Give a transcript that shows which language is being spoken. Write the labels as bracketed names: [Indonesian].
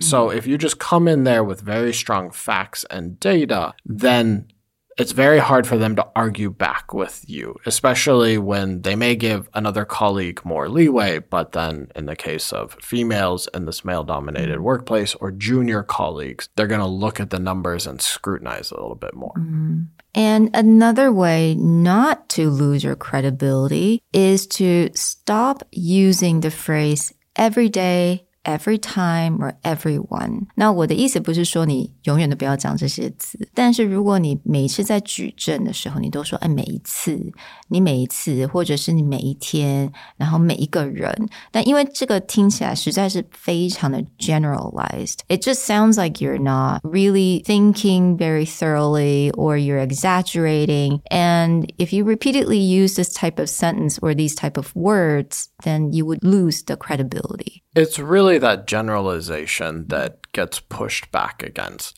[English] So if you just come in there with very strong facts and data, then it's very hard for them to argue back with you, especially when they may give another colleague more leeway, but then in the case of females in this male-dominated workplace or junior colleagues, they're going to look at the numbers and scrutinize a little bit more. Mm-hmm. And another way not to lose your credibility is to stop using the phrase every day, every time, or everyone. [Chinese] 那我的意思不是说你永远都不要讲这些字，但是如果你每一次在举证的时候，你都说，哎，每一次，你每一次，或者是你每一天，然后每一个人，但因为这个听起来实在是非常的 generalized. [English] It just sounds like you're not really thinking very thoroughly, or you're exaggerating. And if you repeatedly use this type of sentence or these type of words, then you would lose the credibility. It's really that generalization that gets pushed back against.